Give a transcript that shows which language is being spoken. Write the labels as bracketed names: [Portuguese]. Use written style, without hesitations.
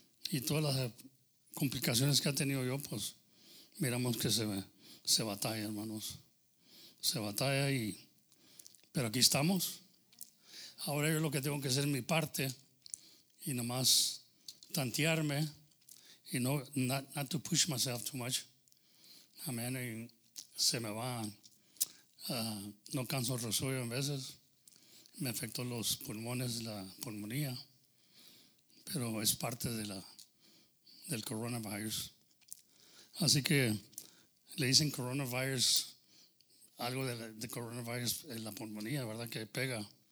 [Spanish] Y todas las complicaciones que ha tenido yo, pues, miramos que se batalla, hermanos. Se batalla y... Pero aquí estamos. Ahora yo lo que tengo que hacer es mi parte. Y nomás tantearme. Y no, [English] not to push myself too much. [Spanish] Amén. Y se me va. No canso el resuello en veces. Me afectó los pulmones, la pulmonía. Pero es parte de la del coronavirus. Así que le dicen coronavirus, algo de coronavirus en la pulmonía, ¿verdad? Que pega.